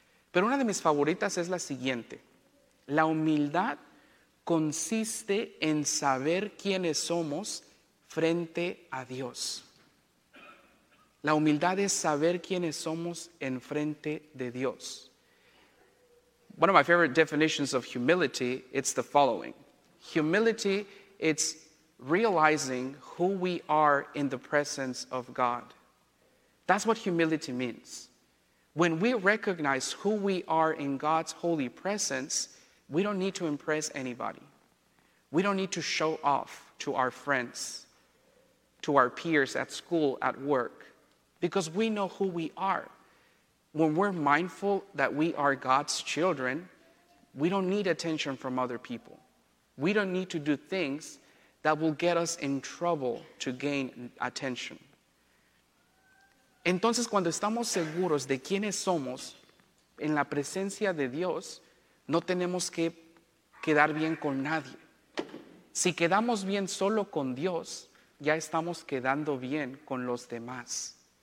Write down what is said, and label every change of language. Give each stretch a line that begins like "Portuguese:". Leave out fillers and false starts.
Spanish: Pero una de mis favoritas es la siguiente. La humildad consiste en saber quiénes somos frente a Dios. La humildad es saber quiénes somos en frente de Dios.
English: One of my favorite definitions of humility, it's the following. Humility, it's realizing who we are in the presence of God. That's what humility means. When we recognize who we are in God's holy presence, we don't need to impress anybody. We don't need to show off to our friends, to our peers at school, at work, because we know who we are. When we're mindful that we are God's children, we don't need attention from other people. We don't need to do things that will get us in trouble to gain attention.
Spanish: Entonces, cuando estamos seguros de quiénes somos en la presencia de Dios, no tenemos que quedar bien con nadie. Si quedamos bien solo con Dios, ya estamos quedando bien con los demás.